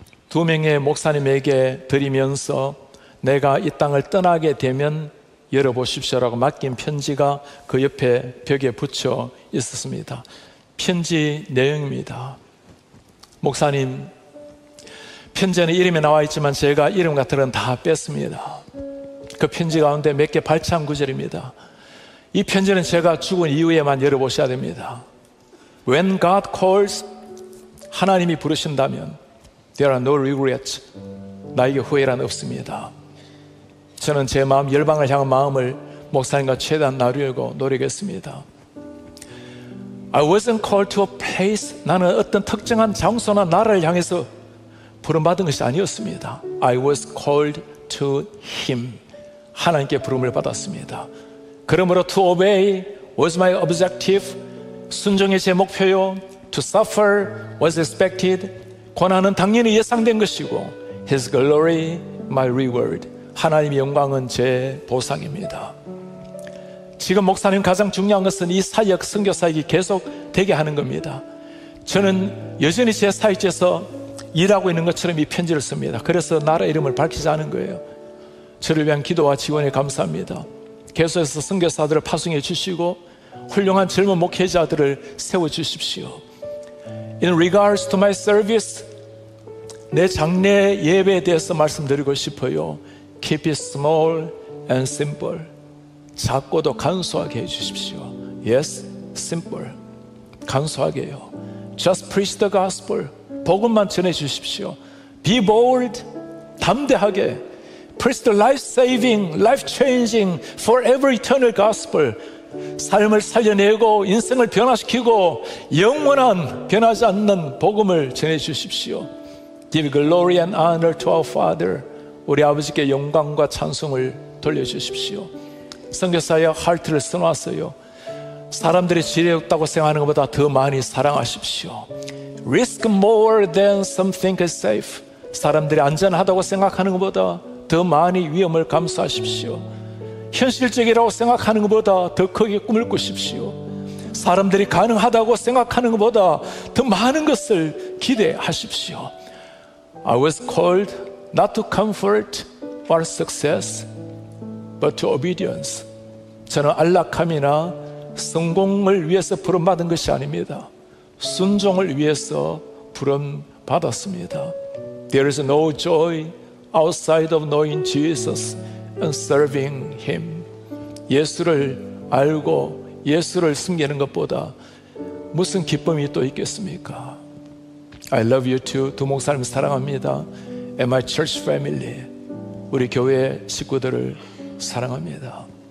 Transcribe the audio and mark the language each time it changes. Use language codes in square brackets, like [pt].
[ko] 두 명의 목사님에게 드리면서 내가 이 땅을 떠나게 되면 열어보십시오라고 맡긴 편지가 그 옆에 벽에 붙여 있었습니다. 편지 내용입니다. 목사님, 편지에는 이름이 나와 있지만 제가 이름 같은 건 다 뺐습니다. 그 편지 가운데 몇 개 발췌한 구절입니다. 이 편지는 제가 죽은 이후에만 열어보셔야 됩니다. [en] When God calls, [ko] 하나님이 부르신다면 [en] There are no regrets, [ko] 나에게 후회란 없습니다. 저는 제 마음, 열방을 향한 마음을 목사님과 최대한 나누려고 노력했습니다. [en] I wasn't called to a place, [ko] 나는 어떤 특정한 장소나 나라를 향해서 부름받은 것이 아니었습니다. [en] I was called to him. [ko] 하나님께 부름을 받았습니다. 그러므로 [en] to obey was my objective. [ko] 순종이 제 목표요. [en] To suffer was expected. [ko] 고난은 당연히 예상된 것이고 [en] His glory my reward. [ko] 하나님의 영광은 제 보상입니다. 지금 목사님 가장 중요한 것은 이 사역, 선교사역이 계속 되게 하는 겁니다. 저는 여전히 제 사역지에서 일하고 있는 것처럼 이 편지를 씁니다. 그래서 나라 이름을 밝히지 않은 거예요. 저를 위한 기도와 지원에 감사합니다. 계속해서 선교사들을 파송해 주시고 훌륭한 젊은 목회자들을 세워주십시오. [en] In regards to my service, [ko] 내 장례 예배에 대해서 말씀드리고 싶어요. [en] Keep it small and simple. [ko] 작고도 간소하게 해주십시오. [en] Yes, simple. [ko] 간소하게요. [en] Just preach the gospel. [ko] 복음만 전해 주십시오. [en] Be bold. [ko] 담대하게. [en] Preach the life-saving, life-changing, forever eternal gospel. [ko] 삶을 살려내고 인생을 변화시키고 영원한 변하지 않는 복음을 전해 주십시오. [en] Give glory and honor to our Father. [ko] 우리 아버지께 영광과 찬송을 돌려주십시오. 선교사여 하트를 써놨어요. 사람들이 지혜롭다고 생각하는 것보다 더 많이 사랑하십시오. [en] Risk more than some think is safe. [ko] 사람들이 안전하다고 생각하는 것보다 더 많이 위험을 감수하십시오. 현실적이라고 생각하는 것보다 더 크게 꿈을 꾸십시오. 사람들이 가능하다고 생각하는 것보다 더 많은 것을 기대하십시오. [en] I was called not to comfort or success, but to obedience. [ko] 저는 안락함이나 성공을 위해서 부름받은 것이 아닙니다. 순종을 위해서 부름받았습니다. [en] There is no joy outside of knowing Jesus and serving Him. [ko] 예수를 알고 예수를 섬기는 것보다 무슨 기쁨이 또 있겠습니까? [en] I love you too. [ko] 두 목사님 사랑합니다. [en] And my church family, [ko] 우리 교회 식구들을 사랑합니다.